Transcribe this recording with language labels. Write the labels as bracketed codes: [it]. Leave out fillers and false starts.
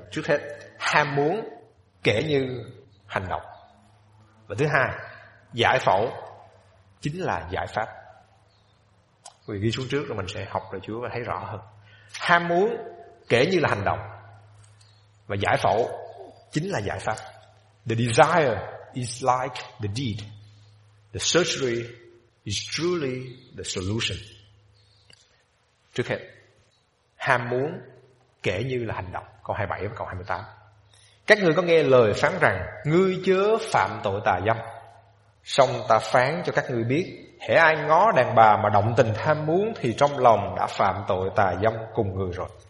[vi] Trước hết, ham muốn kể như hành động. Và thứ hai, giải phẫu chính là giải pháp. Vì ghi xuống trước rồi mình sẽ học lời Chúa và thấy rõ hơn. Ham muốn kể như là hành động, và giải phẫu chính là giải pháp. [en] The desire is like the deed. The surgery is truly the solution. [vi] Trước hết, ham muốn kể như là hành động, câu 27 và câu 28. Các ngươi có nghe lời phán rằng ngươi chớ phạm tội tà dâm, song ta phán cho các ngươi biết, hễ ai ngó đàn bà mà động tình ham muốn thì trong lòng đã phạm tội tà dâm cùng người rồi.